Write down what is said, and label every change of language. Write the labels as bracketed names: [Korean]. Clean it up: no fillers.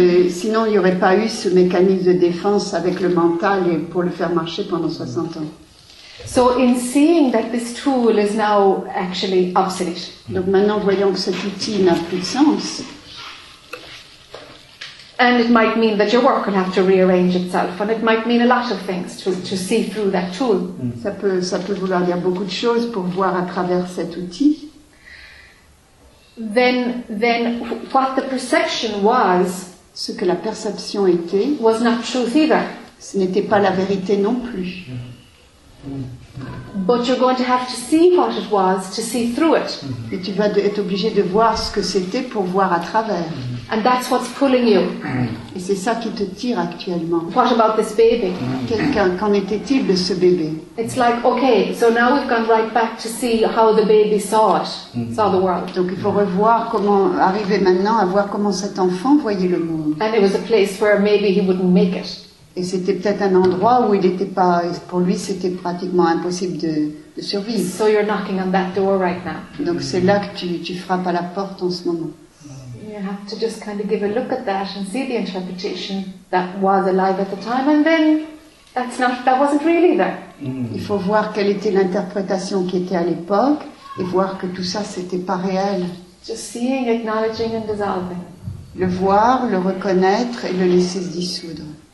[French] Sinon, il n'y aurait pas eu ce mécanisme de défense avec le mental et pour le faire marcher pendant 60 ans. [English] So in seeing that this tool is now actually obsolete. [French] Donc maintenant, voyons que cet outil n'a plus de sens. [English] And it might mean that your work will have to rearrange itself, and it might mean a lot of things to see through that tool. [French] Ça peut vouloir dire beaucoup de choses pour voir à travers cet outil. [English] Then what the perception was, [French] ce que la perception était, [English] was not truth either. [French] Ce n'était pas la vérité non plus. [English] But you're going to have to see what it was to see through it. [French] Et tu vas être obligé de voir ce que c'était pour voir à travers. [English] And that's what's pulling you. [French] Et c'est ça qui te tire actuellement. [English] What about this baby? [French] Qu'en était-il de ce bébé? [English] It's like, okay, so now we've gone right back to see how the baby saw the world. [French] Donc il faut revoir comment arriver maintenant à voir comment cet enfant voyait le monde. [English] And it was a place where maybe he wouldn't make it. [French] Et c'était peut-être un endroit où il n'était pas, pour lui, c'était pratiquement impossible de survivre. [English] So you're knocking on that door right now. [French] Donc c'est là que tu frappes à la porte en ce moment. [English] You have to just kind of give a look at that and see the interpretation that was alive at the time, and then that wasn't really there. [French] Il faut voir quelle était l'interprétation qui était à l'époque et voir que tout ça c'était pas réel. [English] Just seeing, acknowledging, and dissolving. [French] Le voir, le reconnaître et le laisser se dissoudre.